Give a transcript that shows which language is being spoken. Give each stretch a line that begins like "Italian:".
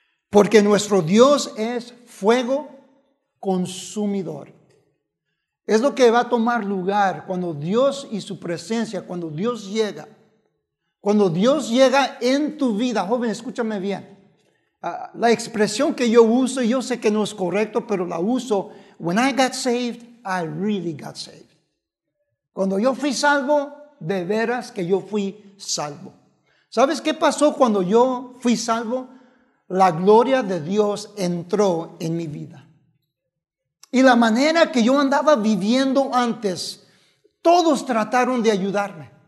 Spanish: Porque nuestro Dios es fuego consumidor. Es lo que va a tomar lugar cuando Dios y su presencia, cuando Dios llega. Cuando Dios llega en tu vida. Joven, escúchame bien. La expresión que yo uso, yo sé que no es correcto, pero la uso.
English: When I got saved, I really got saved.
Spanish: Cuando yo fui salvo, de veras que yo fui salvo. ¿Sabes qué pasó cuando yo fui salvo? La gloria de Dios entró en mi vida. Y la manera que yo andaba viviendo antes, todos trataron de ayudarme.